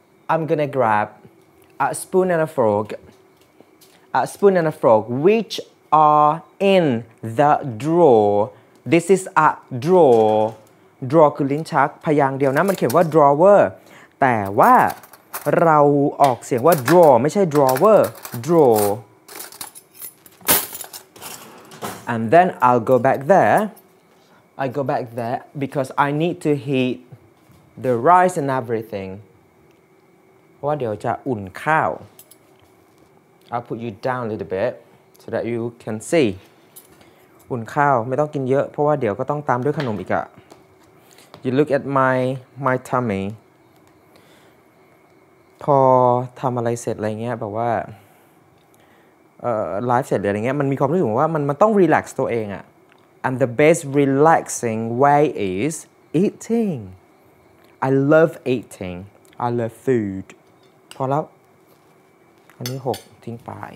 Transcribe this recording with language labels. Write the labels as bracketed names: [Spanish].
[English] I'm gonna grab a spoon and a fork. A spoon and a fork, which are in the drawer. This is a drawer. [Thai] Drawer คือลิ้นชักพยางค์เดียวนะมันเขียนว่า drawer. แต่ว่าเราออกเสียงว่า drawer ไม่ใช่ drawer. [English] Drawer. And then I'll go back there because I need to heat the rice and everything. What do you want to warm cow? I'll put you down a little bit so that you can see. Warm cow, [Thai] ไม่ต้องกินเยอะเพราะว่าเดี๋ยวก็ต้องตามด้วยขนมอีกอ่ะ [English] You look at my tummy. [Thai] พอทำอะไรเสร็จอะไรเงี้ยแบบว่าไลฟ์เสร็จหรืออะไรเงี้ยมันมีความรู้สึกว่ามันต้องรีแลกซ์ตัวเองอะ [English] and the best relaxing way is eating I love eating I love food [Thai] พอแล้วอันนี้หกทิ้งไป